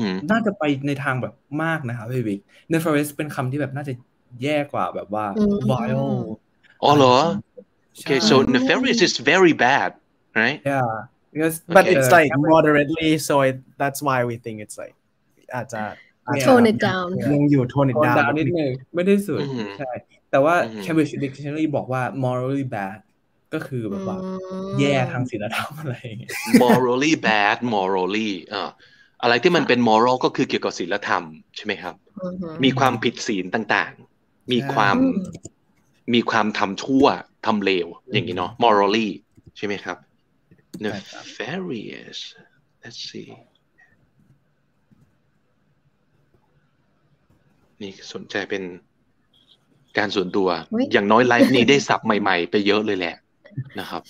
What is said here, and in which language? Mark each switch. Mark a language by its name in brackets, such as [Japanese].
[Thai] น่าจะไปในทางแบบมากนะครับพี่วิก nefarious เป็นคำที่แบบน่าจะแย่กว่าแบบว่า vile [English] อ๋อเหรอ okay so nefarious is very bad right yeah because but it's like moderately so that's why we think it's like อาจจะ tone it down [Thai] ยังอยู่ [English] tone it down [Thai] นิดนึงไม่ได้สุดใช่แต่ว่า Cambridge Dictionary บอกว่า morally bad ก็คือแบบว่าแย่ทางศีลธรรมอะไรอย่างเงี้ย morally bad morally อะไรที่มันเป็นมอรัลก็คือเกี่ยวกับศีลธรรมใช่ไหมครับมีความผิดศีลต่างๆมีความทำชั่วทำเลวอย่างนี้เนาะมอรัลลี่ใช่ไหมครับ [English] nefarious let's see [Thai] นี่สนใจเป็นการส่วนตัวอย่างน้อยไลฟ์นี้ได้สับใหม่ๆไปเยอะเลยแหละนะครับ